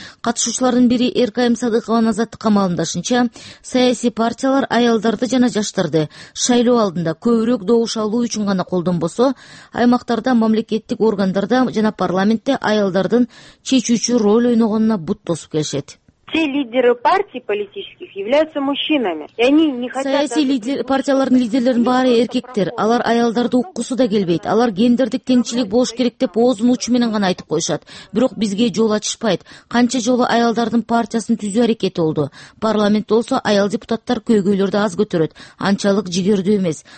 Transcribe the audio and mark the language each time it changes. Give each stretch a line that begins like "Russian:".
Kyrgyz: Катышуучулардын бири РКМ Садыкованын Азаттыкка маалымдашынча, саясий партиялар аялдарды жана жаштарды шайлоо алдында көбүрөөк добуш алуу үчүн гана колдонбосо, аймактарда мамлекеттик органдарда жана парламентте аялдардын чечүүчү роль ойногонуна бут тосуп келишет.
Russian: Все лидеры партий политических являются мужчинами. И они не хотят...
Kyrgyz: Саясий партиялардын лидерлерин баары эркектер. Алар аялдарды уккусу да келбейт. Алар гендердик теңчилик болуш керек деп оозун учу менен гана айтып коюшат. Бирок бизге жол ачышпайт. Канча жолу аялдардын партиясын түзүү аракети болду. Парламент болсо аял депутаттар көйгөйлөрдү аз көтөрөт. Анчалык жигердүү эмес.